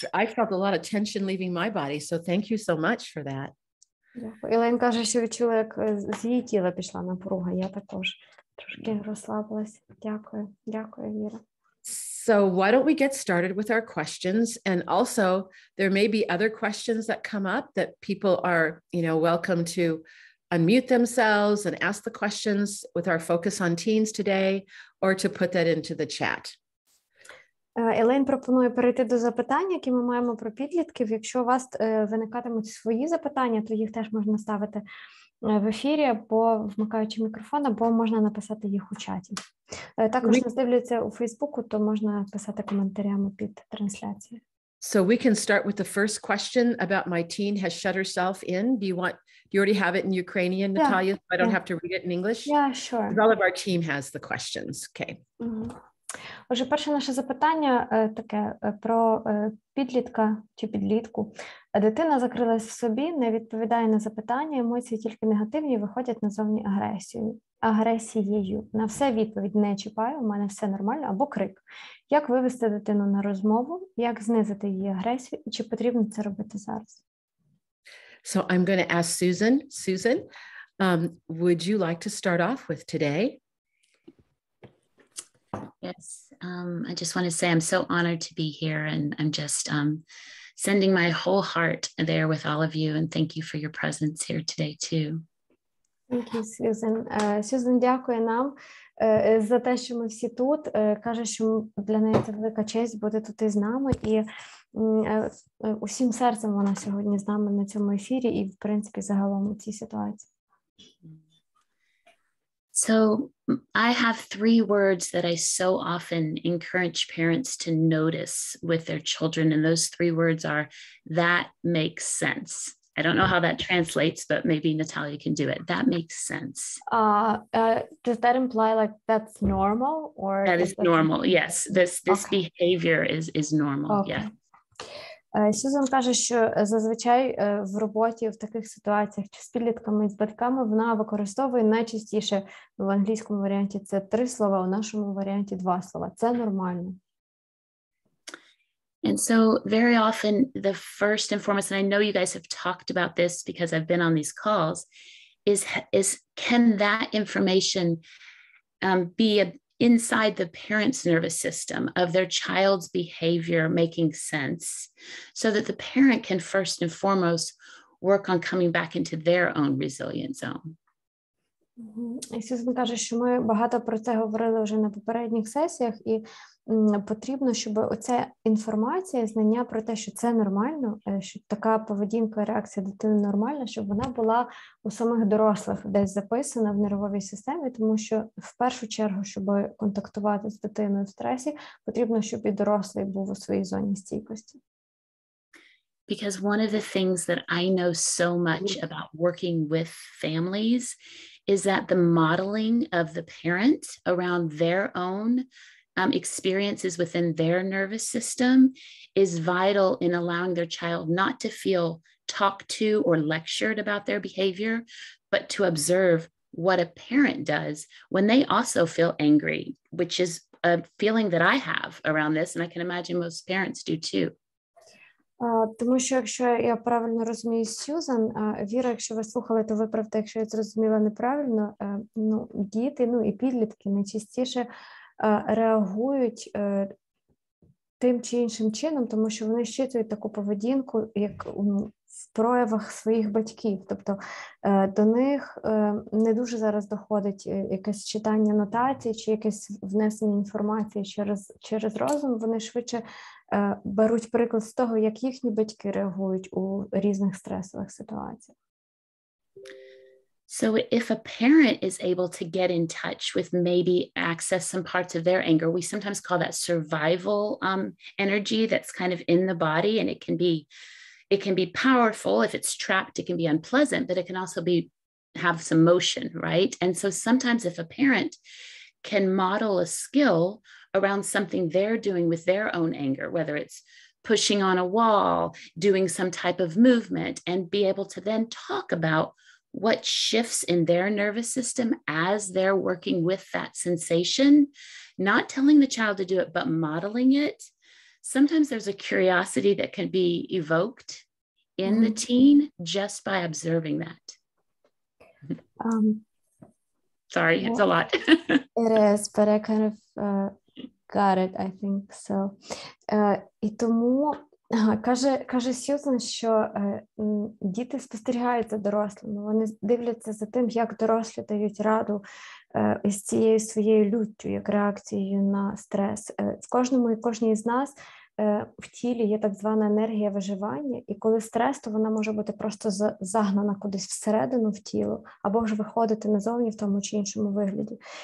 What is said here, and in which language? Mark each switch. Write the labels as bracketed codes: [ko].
[en] I felt a lot of tension leaving my body, so thank you so much for that. [uk] Елен каже, що відчула, як з її тіла пішла напруга. Я також трошки розслабилась. Дякую. Дякую, Віра. [en] So why don't we get started with our questions? And also, there may be other questions that come up that people are, you know, welcome to unmute themselves and ask the questions with our focus on teens today, or to put that into the chat. [uk] Елен пропонує перейти до запитань, які ми маємо про підлітків. Якщо у вас виникатимуть свої запитання, то їх теж можна ставити в ефірі, або вмикаючи мікрофон, або можна написати їх у чаті. Також нас дивляться у Фейсбуку, то можна писати коментарями під трансляцією. [en] So we can start with the first question about my teen has shut herself in. Do you already have it in Ukrainian, Natalia? Yeah. So I don't have to read it in English? Yeah, sure. Because all of our team has the questions. Okay. Mm-hmm. [uk] Отже, перше наше запитання таке про підлітка чи підлітку. Дитина закрилась в собі, не відповідає на запитання, емоції тільки негативні, виходять назовні агресією. На все відповідь не чіпаю, у мене все нормально, або крик. Як вивести дитину на розмову, як знизити її агресію і чи потрібно це робити зараз? [en] So I'm going to ask Susan. Susan, would you like to start off with today? Yes, I just want to say I'm so honored to be here, and I'm just sending my whole heart there with all of you, and thank you for your presence here today too. Thank you, Susan. [uk] Susan, дякую нам за те, що ми всі тут. Каже, що для неї це велика честь бути тут із нами, і усім серцем вона сьогодні з нами на цьому ефірі і, в принципі, загалом у цій ситуації. [en] So I have three words that I so often encourage parents to notice with their children. And those three words are, that makes sense. I don't know how that translates, but maybe Natalia can do it. That makes sense. Does that imply like that's normal? Or that is normal. Yes. This okay. Behavior is normal. Okay. Yeah. [uk] Сюзан каже, що зазвичай в роботі в таких ситуаціях чи з підлітками, з батьками вона використовує найчастіше в англійському варіанті це три слова, у нашому варіанті два слова. Це нормально. [en] And so very often the first and foremost, and I know you guys have talked about this because I've been on these calls, is can that information be inside the parent's nervous system of their child's behavior making sense so that the parent can first and foremost work on coming back into their own resilient zone. [uk] Сюзан каже, що ми багато про це говорили вже на попередніх сесіях, і потрібно, щоб оця інформація, знання про те, що це нормально, що така поведінка, реакція дитини нормальна, щоб вона була у самих дорослих десь записана в нервовій системі, тому що в першу чергу, щоб контактувати з дитиною в стресі, потрібно, щоб і дорослий був у своїй зоні стійкості. [en] Because one of the things that I know so much about working with families is that the modeling of the parent around their own experiences within their nervous system is vital in allowing their child not to feel talked to or lectured about their behavior, but to observe what a parent does when they also feel angry, which is a feeling that I have around this, and I can imagine most parents do too. [uk] Тому що, якщо я правильно розумію Сюзан, Віра, якщо ви слухали, то виправте, якщо я зрозуміла неправильно, ну, діти, ну і підлітки найчастіше реагують тим чи іншим чином, тому що вони щитують таку поведінку, як в проявах своїх батьків. Тобто до них не дуже зараз доходить якесь читання нотацій чи якесь внесення інформації через розум. Вони швидше беруть приклад з того, як їхні батьки реагують у різних стресових ситуаціях. [en] So if a parent is able to get in touch with maybe access some parts of their anger, we sometimes call that survival energy that's kind of in the body, and it can be powerful. If it's trapped, it can be unpleasant, but it can also have some motion, right? And so sometimes if a parent can model a skill around something they're doing with their own anger, whether it's pushing on a wall, doing some type of movement, and be able to then talk about what shifts in their nervous system as they're working with that sensation, not telling the child to do it, but modeling it. Sometimes there's a curiosity that can be evoked in the teen just by observing that. Sorry, it's a lot. It is, but I kind of got it, I think so. [uk] І тому каже Сьюзен, що діти спостерігають за дорослими, вони дивляться за тим, як дорослі дають раду із цією своєю люттю, як реакцією на стрес. В кожному і кожній з нас в тілі є так звана енергія виживання, і коли стрес, то вона може бути просто загнана кудись всередину в тіло, або ж виходити назовні в тому чи іншому вигляді.